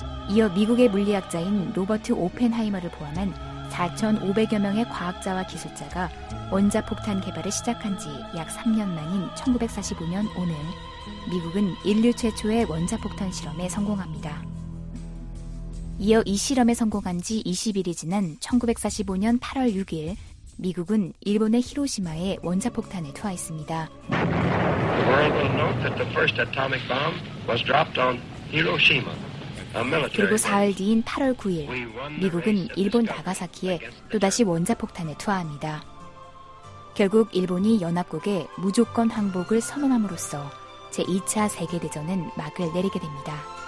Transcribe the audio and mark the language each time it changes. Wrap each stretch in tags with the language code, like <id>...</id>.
<ko>이어 미국의 물리학자인 로버트 오펜하이머를 포함한 4,500여 명의 과학자와 기술자가 원자폭탄 개발을 시작한 지 약 3년 만인 1945년 오늘 미국은 인류 최초의 원자폭탄 실험에 성공합니다. 이어 이 실험에 성공한 지 20일이 지난 1945년 8월 6일 미국은 일본의 히로시마에 원자폭탄을 투하했습니다.</ko> <en>The world will note that the first atomic bomb was dropped on Hiroshima.</en> <ko>그리고 사흘 뒤인 8월 9일 미국은 일본 나가사키에 또다시 원자폭탄을 투하합니다. 결국 일본이 연합국에 무조건 항복을 선언함으로써 제2차 세계대전은 막을 내리게 됩니다.</ko>